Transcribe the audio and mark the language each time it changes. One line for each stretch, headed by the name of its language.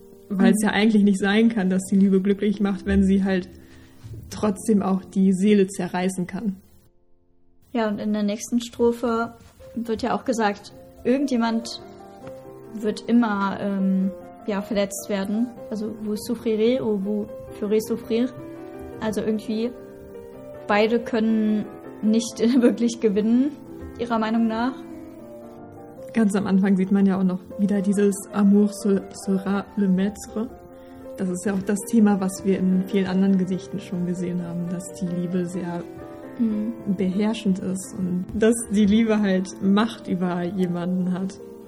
German: Weil es ja eigentlich nicht sein kann, dass die Liebe glücklich macht, wenn sie halt trotzdem auch die Seele zerreißen kann. Ja, und in der nächsten Strophe wird ja auch gesagt, irgendjemand wird immer verletzt werden.
French: Also, vous souffrirez ou vous ferez souffrir.
German: Also irgendwie, beide können nicht wirklich gewinnen, ihrer Meinung nach. Ganz am Anfang sieht man ja auch noch wieder dieses
French: Amour sera le maître.
German: Das ist ja auch das Thema, was wir in vielen anderen Gedichten schon gesehen haben, dass die Liebe sehr beherrschend ist und dass die Liebe halt Macht über jemanden hat.